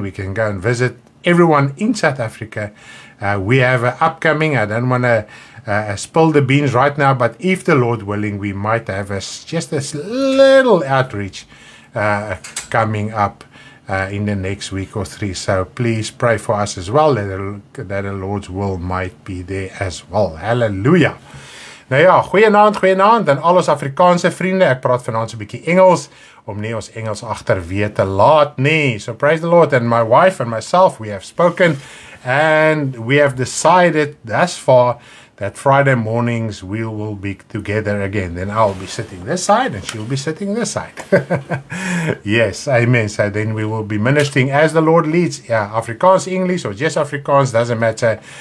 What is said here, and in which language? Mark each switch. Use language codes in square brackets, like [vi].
[en] We can go and visit everyone in South Africa. We have an upcoming, I don't want to spill the beans right now, but if the Lord willing, we might have just this little outreach coming up in the next week or three. So please pray for us as well, that the Lord's will might be there as well. Hallelujah. [af] Nou ja, goeienaand, en al ons Afrikaanse vriende, ek praat vanaand so 'n bietjie Engels, om nie ons Engels agterwee te laat nie. [en] So praise the Lord, and my wife and myself, we have spoken, and we have decided thus far that Friday mornings we will be together again. Then I'll be sitting this side, and she'll be sitting this side. Yes, amen. So then we will be ministering as the Lord leads. Yeah, Afrikaans, English, or just Afrikaans, doesn't matter.